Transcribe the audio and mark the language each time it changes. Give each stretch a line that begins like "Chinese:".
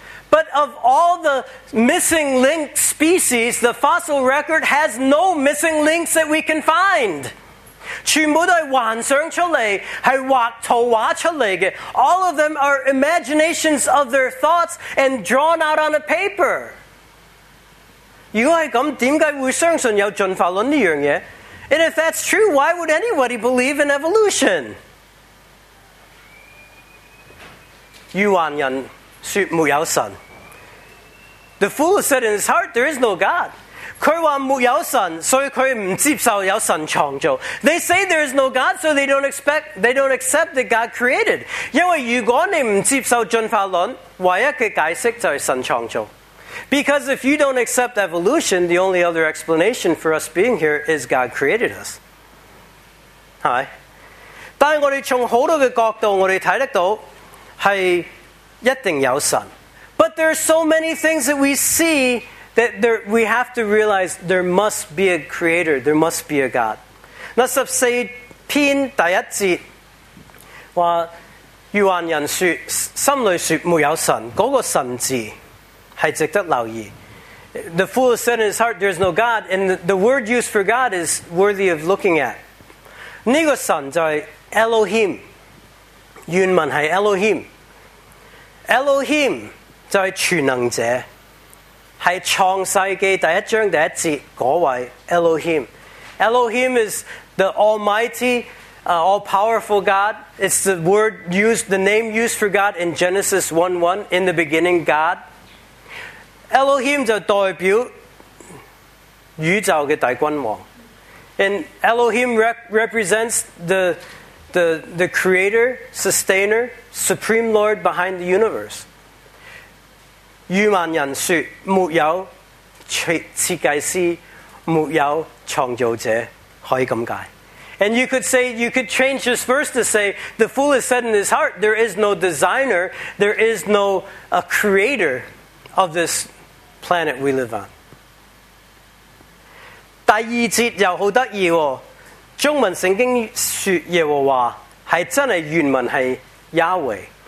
English: But of all the missing link species, the fossil record has no missing links that we can find.
Chinese: 全部都是幻想出来，是画图画出来的。
English: All of them are imaginations of their thoughts and drawn out on a paper.
Chinese: 如果是这样，为什么会相信有进化论这件事？
English: And if that's true, why would anybody believe in evolution?
Chinese: 愚顽人说没有神。
English: The fool said in his heart, there is no God.
Chinese: 他说没有神，所以他不接受有神创造。
English: They say there is no God, so they don't accept that God created.
Chinese: 因为如果你不接受进化论，唯一的解释就是神创造。
English: Because if you don't accept evolution, the only other explanation for us being here is God created us. Hi.
Chinese: 但我们从很多的角度，我们看得到是一定有神。
English: But there are so many things that we see that there, we have to realize there must be a creator, there must be a God.
Chinese: 那十四篇第一节说，愚顽人说，心里说没有神，那个神字是值得留意。
English: The fool said in his heart, there is no God, and the word used for God is worthy of looking at.
Chinese: 那个神就是 Elohim, 原文是 Elohim。 Elohim 就是全能者，是创世纪第一章第一节那位 Elohim。
English: Elohim is the almighty, all-powerful God. It's the word used, the name used for God in Genesis 1:1, in the beginning God.
Chinese: Elohim 就代表宇宙的大君王。
English: And Elohim represents the creator, sustainer, supreme lord behind the universe.
Chinese: 愚顽人说没有设计师，没有创造者，可以这么解。
English: And you could say, you could change this verse to say, the fool has said in his heart, there is no designer, there is no a creator of this planet we live on.
Chinese: 第二节又好得意哦，中文圣经说耶和华是真的，原文是 Yahweh.